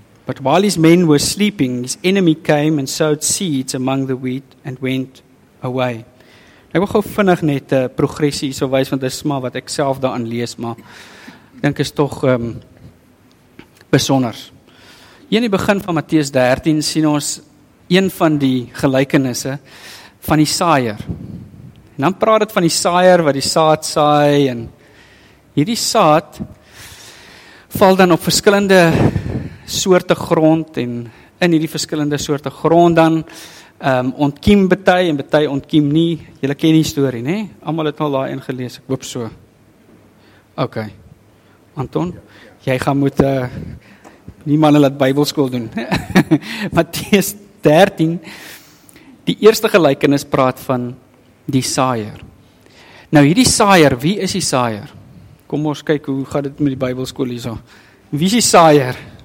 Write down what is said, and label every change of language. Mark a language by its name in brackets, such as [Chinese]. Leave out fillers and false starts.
[English] But while his men were sleeping, his enemy came and sowed seeds among the wheat and went away. [Afrikaans] Ek wil gou vinnig net 'n progressie hierso wys, want dit is maar wat ek self daarin lees, maar ek dink is tog besonders. Hier in die begin van Matteus 13 sien ons een van die gelykenisse van die saaier. En dan praat dit van die saaier wat die saad saai, en hierdie saad val dan op verskillende soorte grond, en in hierdie verskillende soorte grond dan ontkiem bety en bety ontkiem nie. Julle ken die storie, nê? Almal het al daai een gelees, ek hoop so. OK. Anton, jy gaan moet nie manne laat Bybelskool doen. Matteus 13, die eerste gelykenis praat van die saaier. Nou hierdie saaier, wie is die saaier? Kom ons kyk hoe gaat dit met die Bybelskool hierso. Wie is die saaier?